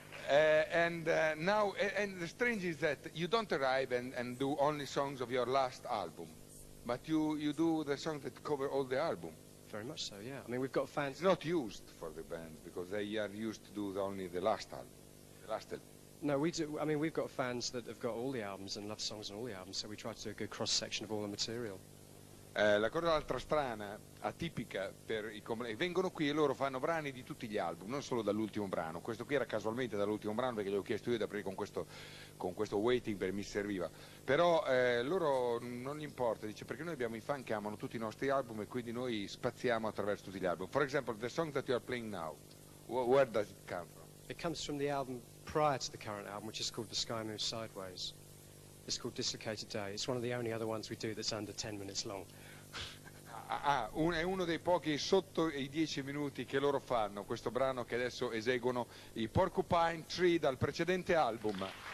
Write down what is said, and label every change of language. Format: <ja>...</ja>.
<en>And the strange is that you don't arrive and do only songs of your last album, but you do the songs that cover all the album. Very much so, yeah. I mean, we've got fans. It's not used for the band because they are used to do only the last album, No, we do. I mean, we've got fans that have got all the albums and love songs on all the albums, so we try to do a good cross section of all the material.</en> <it>La cosa altra strana, atipica per i complessi, vengono qui e loro fanno brani di tutti gli album, non solo dall'ultimo brano. Questo qui era casualmente dall'ultimo brano perché gli ho chiesto io di aprire con questo waiting perché mi serviva. Però loro non gli importa, dice, perché noi abbiamo i fan che amano tutti i nostri album e quindi noi spaziamo attraverso tutti gli album.</it> <en>For example, the song that you are playing now, where does it come from? It comes from the album prior to the current album, which is called The Sky Moves Sideways. It's called Dislocated Day. It's one of the only other ones we do that's under 10 minutes long.</en> <it>È uno dei pochi sotto i 10 minuti che loro fanno, questo brano che adesso eseguono, i Porcupine Tree dal precedente album.</it>